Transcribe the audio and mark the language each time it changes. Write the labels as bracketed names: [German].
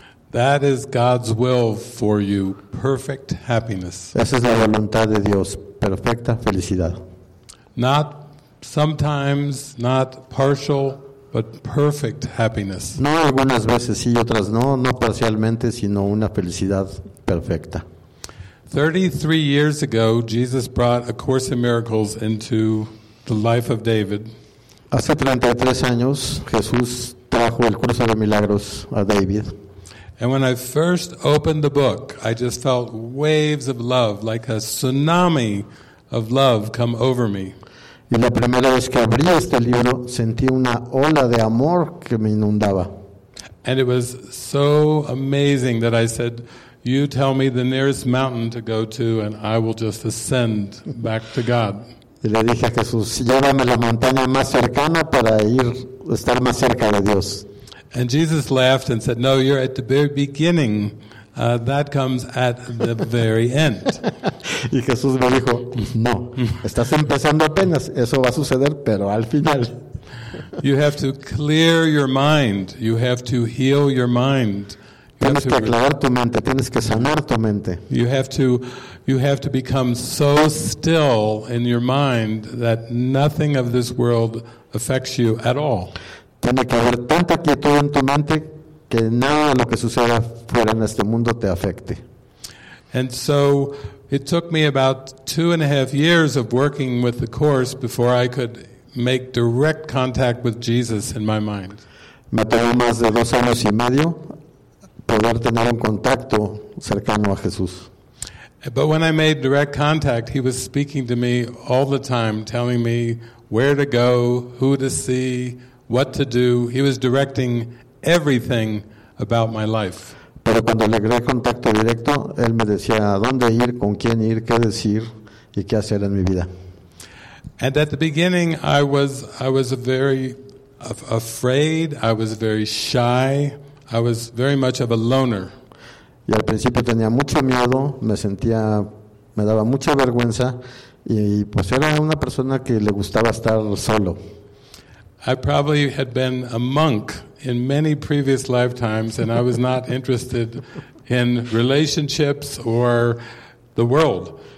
[English] That is God's will for you, perfect happiness. [Spanish] Esa es la voluntad de Dios, perfecta felicidad. [English] Not sometimes, not partial. But perfect happiness. [Spanish] No, algunas veces sí, otras no, no parcialmente, sino una felicidad perfecta. [English] 33 years ago, Jesus brought A Course in Miracles into the life of David. [Spanish] Hace 33 años, Jesús trajo el curso de milagros a David. [English] And when I first opened the book, I just felt waves of love, like a tsunami of love, come over me. [Spanish] Y la primera vez que abrí este libro, sentí una ola de amor que me inundaba. [English] And it was so amazing that I said, "You tell me the nearest mountain to go to, and I will just ascend back to God." [Spanish] Y le dije a Jesús, "Llévame a la montaña más cercana para ir estar más cerca de Dios." [English] And Jesus laughed and said, "No, you're at the very beginning. That comes at the very end." [Spanish] Y Jesús me dijo, "No, estás empezando apenas. Eso va a suceder, pero al final." [English] You have to clear your mind. You have to heal your mind. [Spanish] Tienes que aclarar tu mente. Tienes que sanar tu mente. [English] You have to become so still in your mind that nothing of this world affects you at all. [Spanish] Tiene que haber tanta quietud en tu mente que nada de lo que suceda fuera en este mundo te afecte. [English] And so it took me about 2.5 years of working with the course before I could make direct contact with Jesus in my mind. [Spanish] Me tomó más de 2 años y medio poder tener un contacto cercano a Jesús. [English] But when I made direct contact, he was speaking to me all the time, telling me where to go, who to see, what to do. He was directing everything about my life. [Spanish] Pero cuando logré contacto directo, él me decía dónde ir, con quién ir, qué decir y qué hacer en mi vida. [English] And at the beginning, I was very afraid. I was very shy. I was very much of a loner. [Spanish] Y al principio tenía mucho miedo. Me daba mucha vergüenza. Y pues era una persona que le gustaba estar solo. [English] I probably had been a monk in many previous lifetimes, and I was not interested in relationships or the world.